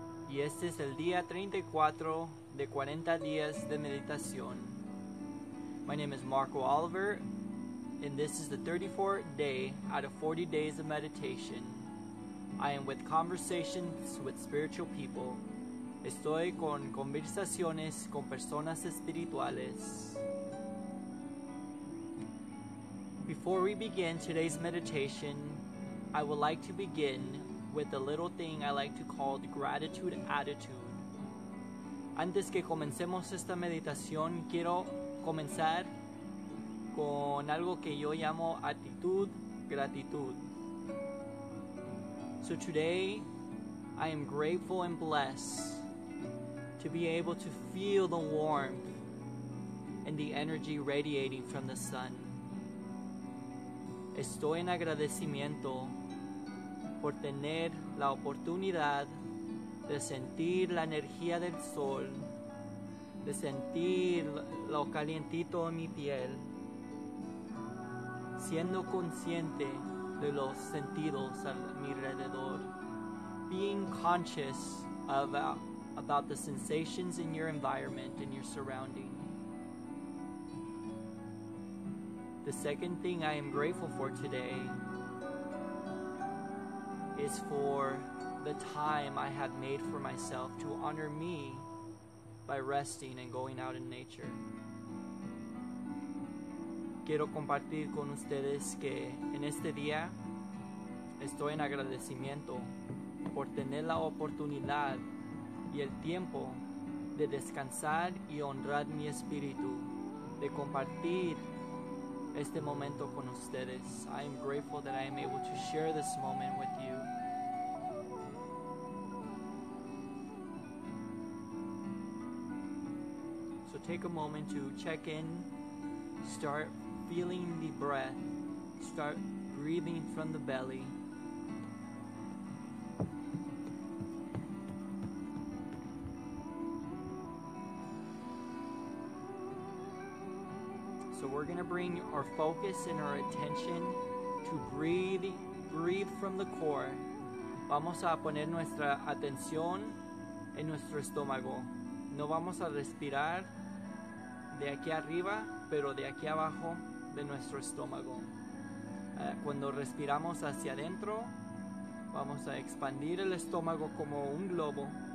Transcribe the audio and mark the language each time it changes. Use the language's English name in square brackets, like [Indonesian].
[Spanish] Y este es el día 34 de 40 días de meditación. [English] My name is Marco Oliver, and this is the 34th day out of 40 days of meditation. I am with conversations with spiritual people. [Spanish] Estoy con conversaciones con personas espirituales. [English] Before we begin today's meditation, I would like to begin with a little thing I like to call the gratitude attitude. [Spanish] Antes que comencemos esta meditación, quiero comenzar con algo que yo llamo actitud, gratitud. [English] So today, I am grateful and blessed to be able to feel the warmth and the energy radiating from the sun. [Spanish] Estoy en agradecimiento por tener la oportunidad de sentir la energía del sol, de sentir lo calientito en mi piel, siendo consciente de los sentidos a mi alrededor, [English] being conscious about the sensations in your environment and your surrounding. The second thing I am grateful for today is for the time I have made for myself to honor me by resting and going out in nature. [Spanish] Quiero compartir con ustedes que en este día estoy en agradecimiento por tener la oportunidad y el tiempo de descansar y honrar mi espíritu, de compartir este momento con ustedes. [English] I am grateful that I am able to share this moment with you. So take a moment to check in. Start feeling the breath. Start breathing from the belly. So we're going to bring our focus and our attention to breathe from the core. [Spanish] Vamos a poner nuestra atención en nuestro estómago. No vamos a respirar de aquí arriba, pero de aquí abajo de nuestro estómago. Cuando respiramos hacia adentro, vamos a expandir el estómago como un globo.